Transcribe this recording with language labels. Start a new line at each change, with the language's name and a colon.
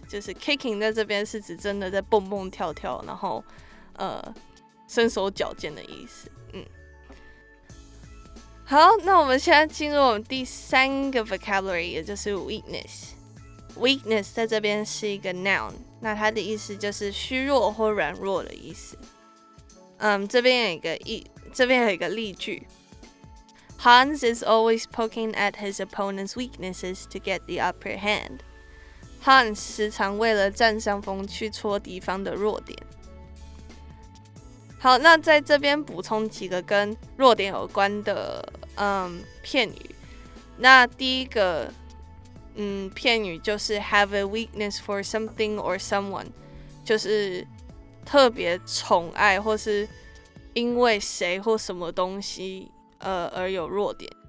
Chinese: 就是 kicking 在这边是指真的在蹦蹦跳跳，然后身手矫健的意思。好，那我们现在进入我们第三个 vocabulary， 也就是 weakness。 weakness 在这边是一个 noun， 那它的意思就是虚弱或软弱的意思。这边有一个例句
English: ，Hans is always poking at his opponent's weaknesses to get the upper hand。
Chinese: Hans 时常为了占上风去戳敌方的弱点。好，那在这边补充几个跟弱点有关的片语。那第一个片语就是
English: have a weakness for something or someone，
Chinese: 就是特别宠爱或是因为谁或什么东西而有弱点。